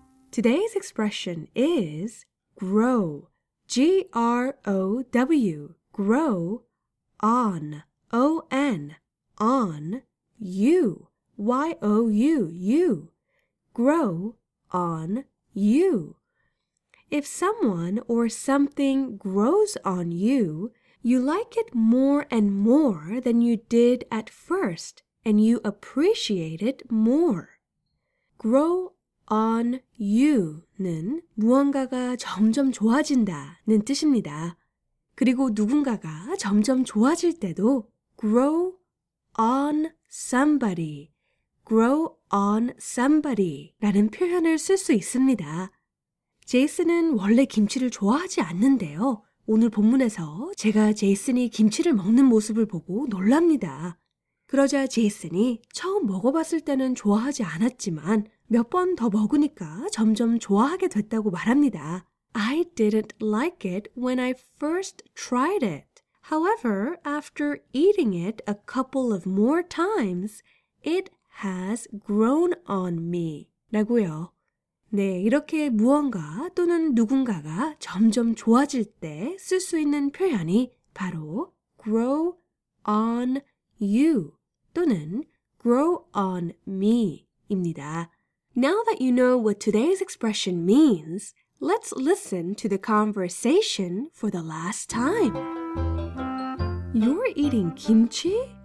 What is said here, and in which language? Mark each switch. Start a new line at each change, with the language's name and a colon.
English: Today's expression is grow, G-R-O-W, grow on, O-N, on you, Y-O-U, you, grow on you. If someone or something grows on you, you like it more and more than you did at first, and you appreciate it more.
Korean: Grow on you는 무언가가 점점 좋아진다는 뜻입니다. 그리고 누군가가 점점 좋아질 때도 grow on somebody, grow on somebody라는 표현을 쓸 수 있습니다. 제이슨은 원래 김치를 좋아하지 않는데요. 오늘 본문에서 제가 제이슨이 김치를 먹는 모습을 보고 놀랍니다. 그러자 제이슨이 처음 먹어봤을 때는 좋아하지 않았지만 몇 번 더 먹으니까 점점 좋아하게 됐다고 말합니다.
English: I didn't like it when I first tried it. However, after eating it a couple of more times, it has grown on me.
Korean: 라고요. 네, 이렇게 무언가 또는 누군가가 점점 좋아질 때 쓸 수 있는 표현이 바로 grow on you 또는 grow on me 입니다.
English: Now that you know what today's expression means, let's listen to the conversation for the last time. You're eating kimchi?